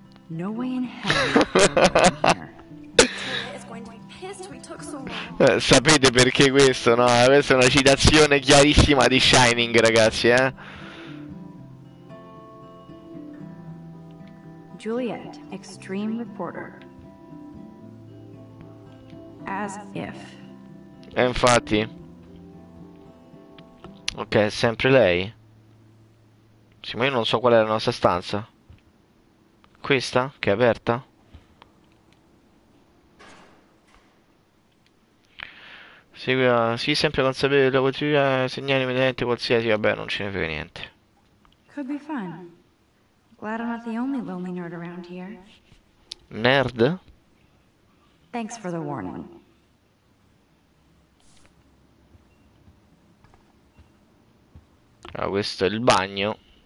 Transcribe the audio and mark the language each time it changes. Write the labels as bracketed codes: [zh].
[en] No way in hell is Warren here. Victoria is going to be pissed we took so long. [it] Sapete perché questo, no? Questa è una citazione chiarissima di Shining, ragazzi, eh? [en] Juliet, extreme reporter. As if. [it] Infatti. Ok, sempre lei. Sì, ma io non so qual è la nostra stanza. Questa, che è aperta. Segua. Sì, sempre consapevole della quotidiana, segnali immediatamente qualsiasi. Vabbè, non ce ne frega niente. [en] Could be fun. Glad I'm not the only lonely nerd around here. Nerd? Thanks for the warning. [it] Ah, questo è il bagno.